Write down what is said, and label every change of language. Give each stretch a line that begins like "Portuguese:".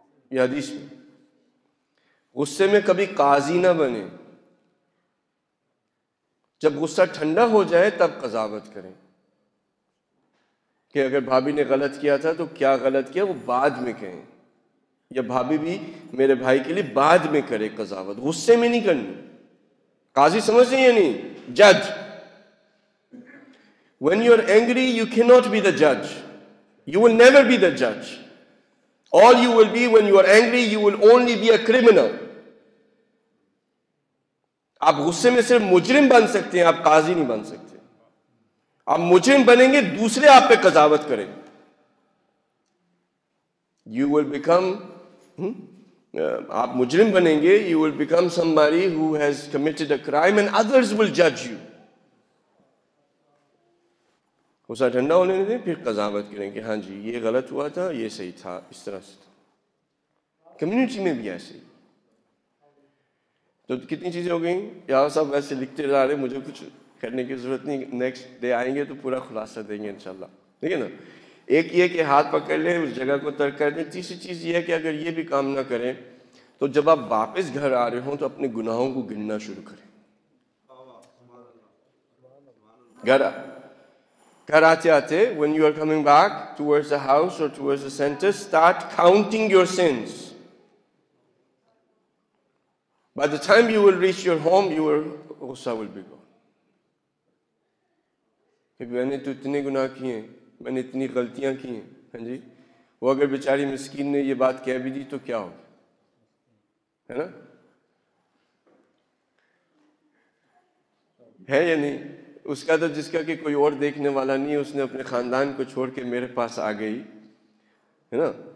Urdu: یہ حدیث میں, غصے میں کبھی قاضی نہ بنے, جب غصہ ٹھنڈا ہو جائے تب قضاوت کریں کہ اگر بھابھی نے غلط کیا تھا تو کیا غلط کیا, وہ بعد میں کہیں, یا بھابھی بھی میرے بھائی کے لیے بعد میں کرے قضاوت, غصے میں نہیں کرنی. قاضی سمجھ رہی ہے نہیں, جج.
English: When you are angry you cannot be the judge, you will never be the judge. All you will be when you are angry, you will only be a criminal.
Urdu: آپ غصے میں صرف مجرم بن سکتے ہیں, آپ قاضی نہیں بن سکتے. آپ مجرم بنیں گے, دوسرے آپ پہ قضاوت کریں,
English: you will become,
Urdu: آپ مجرم بنیں گے, you will become
English: somebody who has committed a crime and others will judge you.
Urdu: غصہ ٹھنڈا ہونے دیں, پھر قضاوت کریں کہ ہاں جی یہ غلط ہوا تھا, یہ صحیح تھا, اس طرح سے. کمیونٹی میں بھی ایسے تو کتنی چیزیں ہو گئیں. یار صاحب ویسے لکھتے جا رہے, مجھے کچھ کرنے کی ضرورت نہیں, نیکسٹ ڈے آئیں گے تو پورا خلاصہ دیں گے انشاءاللہ. ٹھیک ہے نا, ایک یہ کہ ہاتھ پکڑ لیں, اس جگہ کو ترک کر دیں. تیسری چیز یہ ہے کہ اگر یہ بھی کام نہ کریں تو جب آپ واپس گھر آ رہے ہوں تو اپنے گناہوں کو گننا شروع کریں. گھر آتے آتے,
English: when you are coming back towards the house or towards the center, start counting your sins. By the time you will reach your home, your غصہ will be gone.
Urdu: میں نے تو اتنے گناہ کیے ہیں, میں نے اتنی غلطیاں کی ہیں. ہاں جی, وہ اگر بیچاری مسکین نے یہ بات کہہ بھی دی تو کیا ہوگی, ہے نا, ہے یا نہیں. اس کا تو جس کا کہ کوئی اور دیکھنے والا نہیں ہے, اس نے اپنے خاندان کو چھوڑ کے میرے پاس آ گئی, ہے نا.